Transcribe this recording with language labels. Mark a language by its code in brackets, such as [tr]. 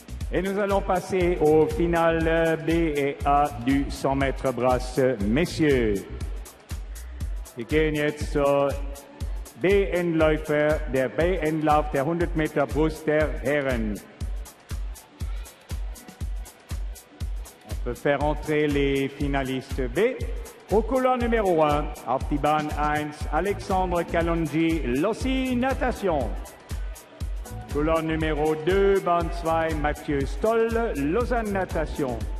[fr] Et nous allons passer au final B et A du 100 mètres brasse, messieurs. [de] Wir gehen jetzt zur B-Endläufer, der B-Endlauf der 100 Meter Brust der Herren. [fr] On peut faire entrer les finalistes B. Au couloir numéro 1, [de] auf die Bahn 1, [fr] Alexandre Kalonji, Lossi Natation. Couloir numéro 2, bande 2, Mathieu Stoll, Lausanne Natation.